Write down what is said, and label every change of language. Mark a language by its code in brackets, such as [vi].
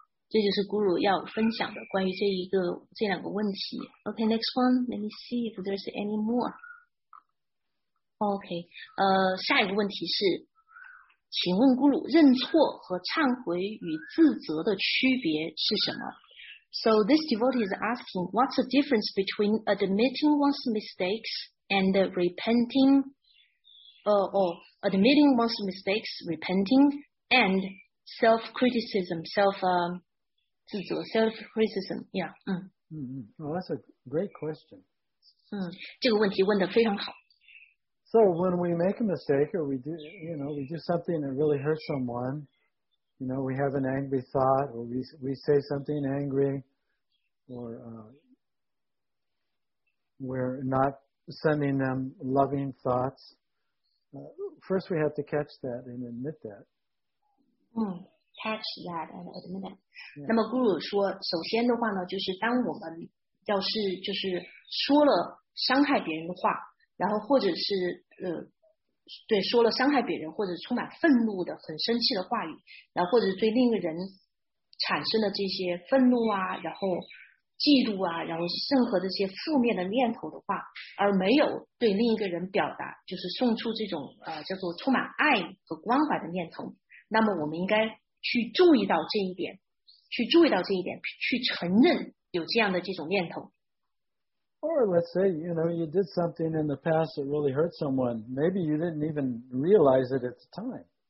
[zh] 这就是 Guru 要分享的关于这两个问题。 [en] Okay, next one. Let me see if there's any more. Okay. [zh] 下一个问题是，请问咕噜，认错和忏悔与自责的区别是什么？ [en] So this devotee is asking, what's the difference between admitting one's mistakes and repenting, or admitting one's mistakes, repenting, and self-criticism, self-criticism, yeah. Well, that's a great question. [zh] 这个问题问得非常好。 [en] So when we make a mistake or we do, you know, we do something that really hurts someone, you know, we have an angry thought or we say something angry,or we're not sending them loving thoughts, first we have to catch that and admit that. Catch that and admit that. [zh] 那么 Guru 说首先的话呢就是当我们要是就是说了伤害别人的话然后或者是对说了伤害别人或者充满愤怒的很生气的话语然后或者对另一个人产生了这些愤怒啊然后嫉妒啊然后任何这些负面的念头的话而没有对另一个人表达就是送出这种叫做充满爱和关怀的念头那么我们应该去注意到这一点去注意到这一点去承认有这样的这种念头 [en] Or let's say you know you did something in the past that really hurt someone maybe you didn't even realize it at the time